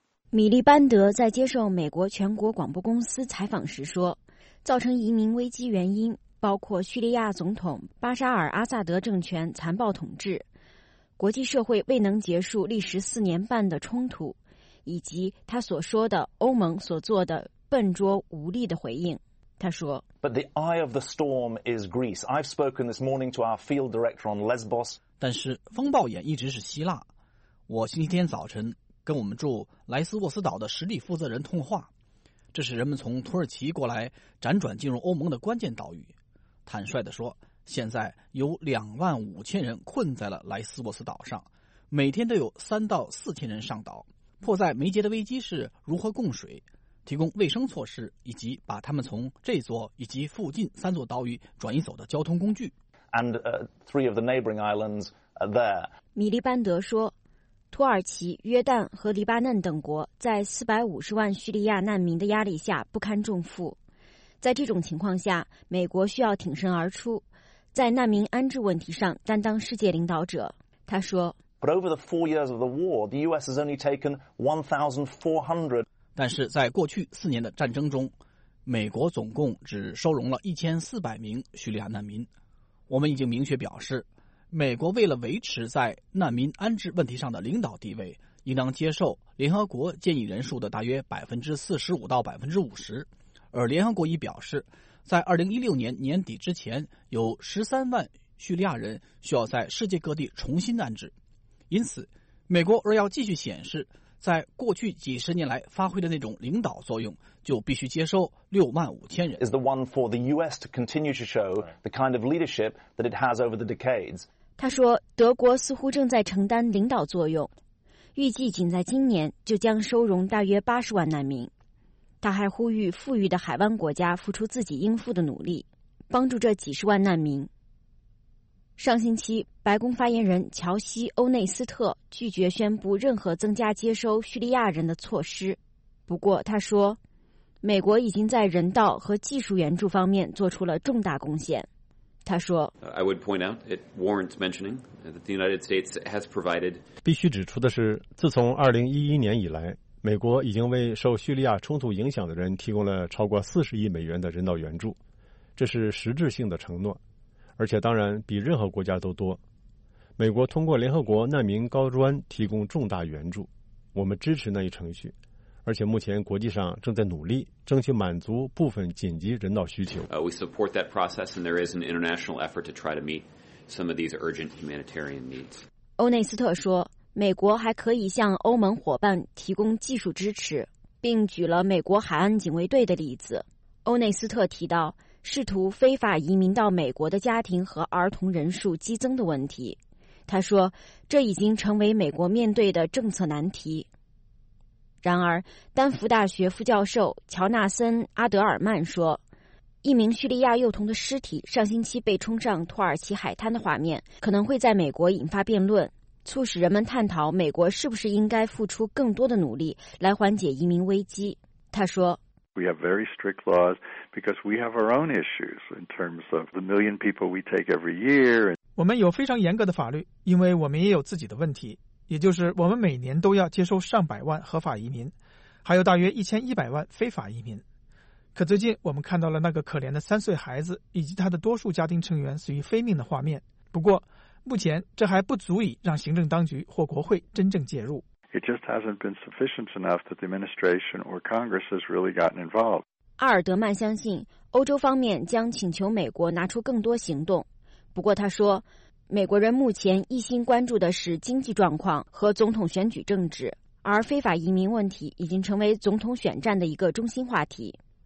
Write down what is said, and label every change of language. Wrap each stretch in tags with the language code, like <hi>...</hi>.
<zh>米利班德在接受美国全国广播公司采访时说，造成移民危机原因包括叙利亚总统巴沙尔阿萨德政权残暴统治，国际社会未能结束历时4年半的冲突，以及他所说的欧盟所做的笨拙无力的回应。他说，</zh> <en>But the eye of the storm is Greece. I've spoken this morning to our field director on Lesbos.</en> <zh>但是风暴眼一直是希腊。我星期天早晨跟我们住莱斯沃斯岛的实地负责人通话，这是人们从土耳其过来辗转进入欧盟的关键岛屿。坦率地说，现在有25000人困在了莱斯沃斯岛上，每天都有3到4000人上岛。迫在眉睫的危机是如何供水、提供卫生措施，以及把他们从这座以及附近3座岛屿转移走的交通工具。</zh> <en>And three of the neighboring islands are there.</en> <zh>米利班德说，土耳其、约旦和黎巴嫩等国在450万叙利亚难民的压力下不堪重负。在这种情况下，美国需要挺身而出，在难民安置问题上担当世界领导者。他说</zh> <en>，But over the 4 years of the war, the U.S. has only taken 1,400.</en> <zh>但是在过去4年的战争中，美国总共只收容了1400名叙利亚难民。我们已经明确表示，美国为了维持在难民安置问题上的领导地位，应当接受联合国建议人数的大约45%-50%。而联合国已表示，在2016年年底之前，有13万叙利亚人需要在世界各地重新安置。因此，美国若要继续显示在过去几十年来发挥的那种领导作用，就必须接收65000人。</zh> <en>Is the one for the U.S. to continue to show the kind of leadership that it has over the decades.</en> <zh>他说，德国似乎正在承担领导作用，预计仅在今年就将收容大约80万难民。他还呼吁富裕的海湾国家付出自己应付的努力，帮助这几十万难民。上星期，白宫发言人乔西·欧内斯特拒绝宣布任何增加接收叙利亚人的措施。不过，他说，美国已经在人道和技术援助方面做出了重大贡献。他说</zh> <en>：“I would point out it warrants mentioning that the United States has provided。</en> <zh>必须指出的是，自从2011年以来，美国已经为受叙利亚冲突影响的人提供了超过40亿美元的人道援助，这是实质性的承诺。” 而且当然比任何国家都多。美国通过联合国难民高专提供重大援助，我们支持那一程序，而且目前国际上正在努力争取满足部分紧急人道需求。</zh> <en>We support that process and there is an international effort to try to meet some of these urgent humanitarian needs.</en> <zh>欧内斯特说，美国还可以向欧盟伙伴提供技术支持，并举了美国海岸警卫队的例子。欧内斯特提到试图非法移民到美国的家庭和儿童人数激增的问题，他说，这已经成为美国面对的政策难题。然而，丹佛大学副教授乔纳森·阿德尔曼说，一名叙利亚幼童的尸体上星期被冲上土耳其海滩的画面，可能会在美国引发辩论，促使人们探讨美国是不是应该付出更多的努力来缓解移民危机。他说</zh> <en>We have very strict laws because we have our own issues in terms of the million people we take every year.</en> <zh>我们有非常严格的法律，因为我们也有自己的问题，也就是我们每年都要接收上百万合法移民，还有大约1100万非法移民。可最近我们看到了那个可怜的3岁孩子以及他的多数家庭成员死于非命的画面。不过，目前这还不足以让行政当局或国会真正介入。</zh> <en>It just hasn't been sufficient enough that the administration or Congress has really gotten involved.</en> <zh>阿尔德曼相信欧洲方面将请求美国拿出更多行动。不过他说，美国人目前一心关注的是经济状况和总统选举政治，而非法移民问题已经成为总统选战的一个中心话题。</zh>